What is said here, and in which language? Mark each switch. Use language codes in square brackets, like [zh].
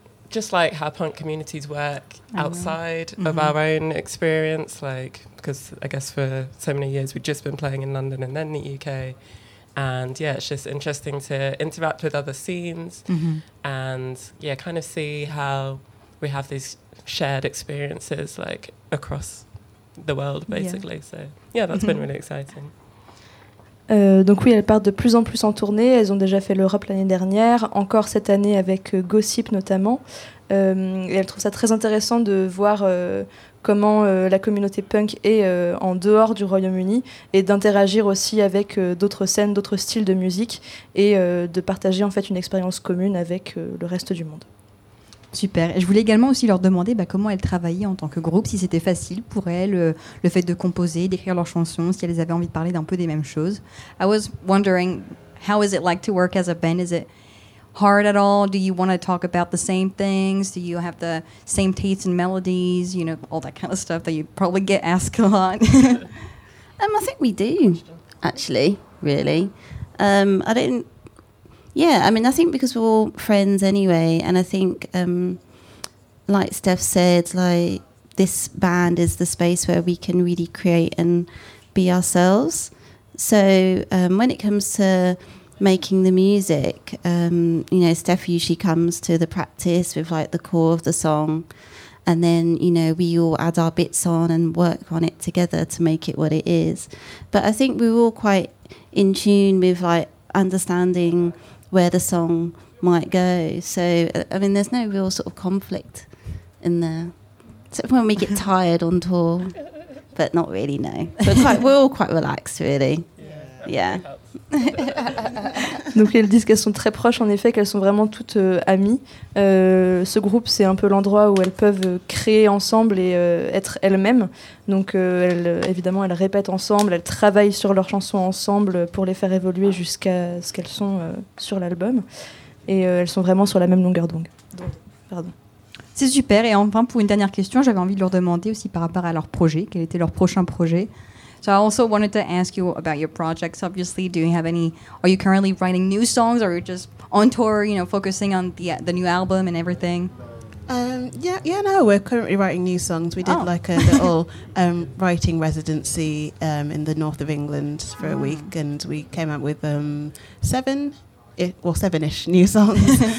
[en] just like how punk communities work outside of our own experience, like, because I guess for so many years we've just been playing in London and then the UK. And yeah, it's just interesting to interact with other scenes and yeah, kind of see how we have these shared experiences, like, across the world, basically. Yeah. So yeah, that's been really exciting. [fr] Donc oui, elles partent de plus en plus en tournée. Elles ont déjà fait l'Europe l'année dernière, encore cette année avec Gossip notamment. Et elles trouvent ça très intéressant de voir comment la communauté punk est en dehors du Royaume-Uni et d'interagir aussi avec d'autres scènes, d'autres styles de musique et de partager en fait une expérience commune avec le reste du monde. Super. Et je voulais également aussi leur demander comment elles travaillaient en tant que groupe, si c'était facile pour elles, le fait de composer, d'écrire leurs chansons, si elles avaient envie de parler d'un peu des mêmes choses. [en] I was wondering, how is it like to work as a band? Is it hard at all? Do you want to talk about the same things? Do you have the same tastes and melodies? You know, all that kind of stuff that you probably get asked a lot. I think we do, actually, really. Yeah, I mean, I think because we're all friends anyway, and I think, like Steph said, like, this band is the space where we can really create and be ourselves. So when it comes to making the music. You know, Steph usually comes to the practice with like the core of the song, and then, you know, we all add our bits on and work on it together to make it what it is. But I think we're all quite in tune with like understanding where the song might go. So, I mean, there's no real sort of conflict in there. Except when we get tired on tour, but not really, no. But quite, we're all quite relaxed, really. Yeah. [fr] Donc elles disent qu'elles sont très proches, en effet, qu'elles sont vraiment toutes amies. Ce groupe, c'est un peu l'endroit où elles peuvent créer ensemble et être elles-mêmes. Donc elles, évidemment, elles répètent ensemble, elles travaillent sur leurs chansons ensemble pour les faire évoluer jusqu'à ce qu'elles sont sur l'album. Et elles sont vraiment sur la même longueur d'onde. Pardon. C'est super. Et enfin, pour une dernière question, j'avais envie de leur demander aussi par rapport à leur projet, quel était leur prochain projet. [en] So I also wanted to ask you about your projects, obviously. Do you have any, are you currently writing new songs, or are you just on tour, you know, focusing on the new album and everything? Yeah, no, we're currently writing new songs. We did like a little writing residency in the north of England for a week, and we came up with seven-ish new songs.